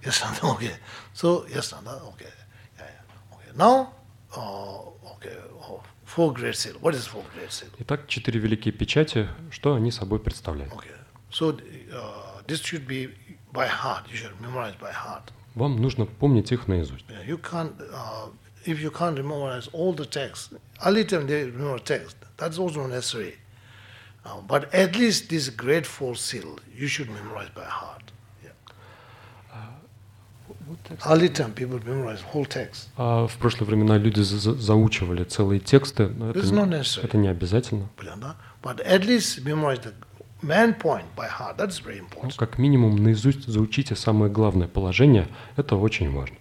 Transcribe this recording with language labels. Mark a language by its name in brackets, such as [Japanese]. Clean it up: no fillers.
[English] Yes, okay. So yes, okay. Now, four great seals. What is four great seals? [Russian] Итак, четыре великие печати. Что они собой представляют? [English] Okay. So this should be by heart. You should memorize by heart. [Russian] Вам нужно помнить их наизусть. [English] Yeah, you can't, if you can't memorize all the texts, a little bit more text, that's also necessary. But at least this great four seal, you should memorize by heart. Алитам, people memorize whole text. [Russian] А в прошлые времена люди заучивали целые тексты, но это не обязательно. [English] But at least memorize the main point by heart. That's very important. [Russian] Ну, как минимум наизусть заучите самое главное положение, это очень важно.